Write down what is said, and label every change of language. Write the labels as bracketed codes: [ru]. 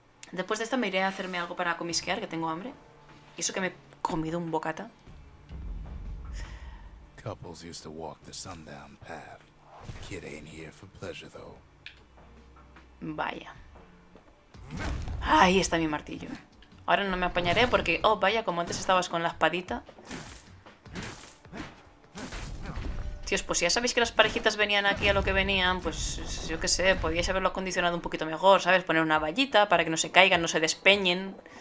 [es] Después de esto me iré a hacerme algo para comisquear, que tengo hambre. Y eso que me he comido un bocata. [en] Couples used to walk the sundown path. Kid ain't here for pleasure, though. [es] Vaya. Ahí está mi martillo. Ahora no me apañaré porque... oh, vaya, como antes estabas con la espadita. Tíos, pues ya sabéis que las parejitas venían aquí a lo que venían, pues yo qué sé, podíais haberlo acondicionado un poquito mejor, ¿sabes? Poner una vallita para que no se caigan, no se despeñen.